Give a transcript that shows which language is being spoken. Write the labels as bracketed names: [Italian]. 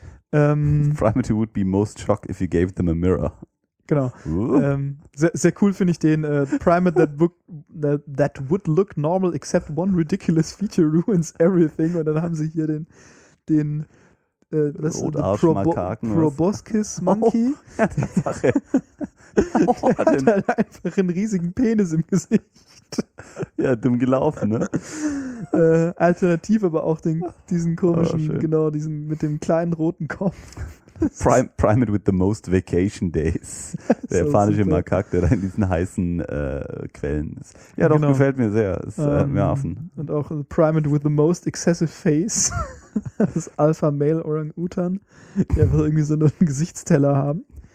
[English] Primate would be most shocked if you gave them a mirror. [German] Genau. Sehr cool finde ich den [English] Primate that would look normal except one ridiculous feature ruins everything. [German] Und dann haben sie hier den Rotarsch-Makaken. [English] Proboscis Monkey. Oh, [German] der hat halt einfach einen riesigen Penis im Gesicht. Ja, dumm gelaufen, ne? Alternativ aber auch diesen komischen, genau, diesen mit dem kleinen roten Kopf. [English] Primate with the most vacation days. [German] Der japanische Makak, der da in diesen heißen Quellen ist. Ja, doch, genau. Gefällt mir sehr. Ist mehr Affen. Und auch [English] Primate with the most excessive face. [German] Das ist Alpha Male Orang-Utan, die einfach irgendwie so einen Gesichtsteller haben.